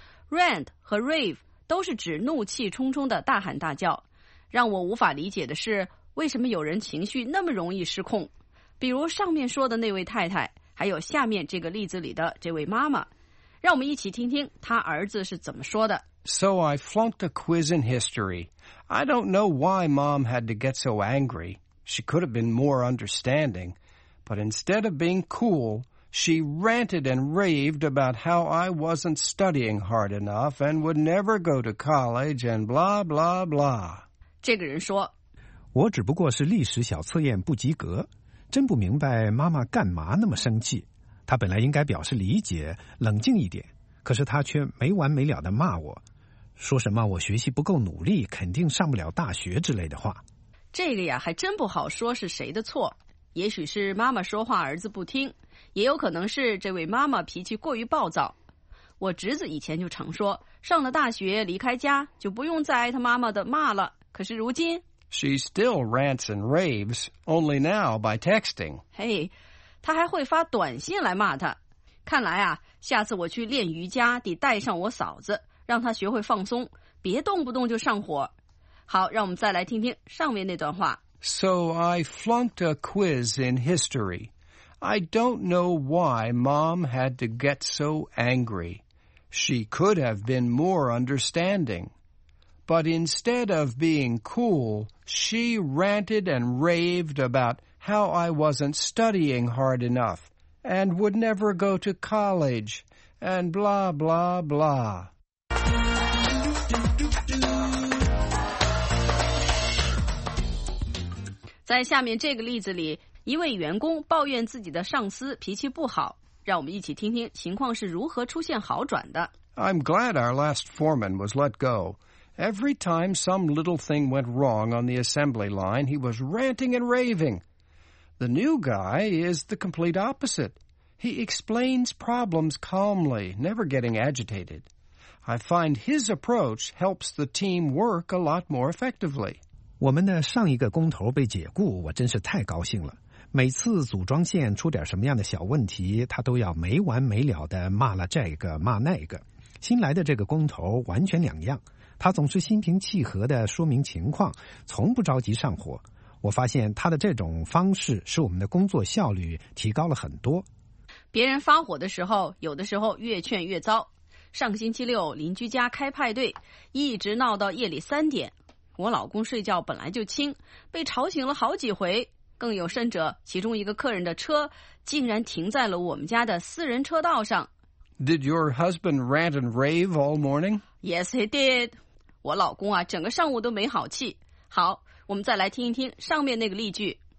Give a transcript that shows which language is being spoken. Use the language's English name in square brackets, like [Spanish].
[Chinese] Rant 和 rave 都是指怒气冲冲的大喊大叫。让我无法理解的是，为什么有人情绪那么容易失控？比如上面说的那位太太，还有下面这个例子里的这位妈妈，让我们一起听听她儿子是怎么说的。 [English] So I flunked a quiz in history. I don't know why Mom had to get so angry. She could have been more understanding. But instead of being cool, she ranted and raved about how I wasn't studying hard enough and would never go to college and blah, blah, blah. [Chinese] 这个人说，我只不过是历史小测验不及格，真不明白妈妈干嘛那么生气。她本来应该表示理解，冷静一点，可是她却没完没了地骂我，说什么我学习不够努力，肯定上不了大学之类的话。这个呀，还真不好说是谁的错，也许是妈妈说话儿子不听，也有可能是这位妈妈脾气过于暴躁。我侄子以前就常说，上了大学离开家，就不用再挨他妈妈的骂了。可是如今 [English] She still rants and raves, only now by texting. [Chinese] 嘿，她还会发短信来骂她。看来啊，下次我去练瑜伽得带上我嫂子，让她学会放松，别动不动就上火。好，让我们再来听听上面那段话。 [English] So I flunked a quiz in history. I don't know why Mom had to get so angry. She could have been more understanding. But instead of being cool, she ranted and raved about how I wasn't studying hard enough and would never go to college and blah, blah, blah. [Chinese] 在下面这个例子里，一位员工抱怨自己的上司脾气不好，让我们一起听听情况是如何出现好转的。 [English] I'm glad our last foreman was let go. Every time some little thing went wrong on the assembly line, he was ranting and raving. The new guy is the complete opposite. He explains problems calmly, never getting agitated. I find his approach helps the team work a lot more effectively. [Chinese] 我们的上一个工头被解雇，我真是太高兴了。每次组装线出点什么样的小问题，他都要没完没了地骂了这个骂那个。新来的这个工头完全两样。他总是心平气和地说明情况，从不着急上火。我发现他的这种方式使我们的工作效率提高了很多。别人发火的时候，有的时候越劝越糟。上星期六邻居家开派对，一直闹到夜里三点。我老公睡觉本来就轻，被吵醒了好几回。更有甚者，其中一个客人的车竟然停在了我们家的私人车道上。 [English] Did your husband rant and rave all morning? Yes, he did. [Chinese] 我老公啊，整个上午都没好气。好，我们再来听一听上面那个例句。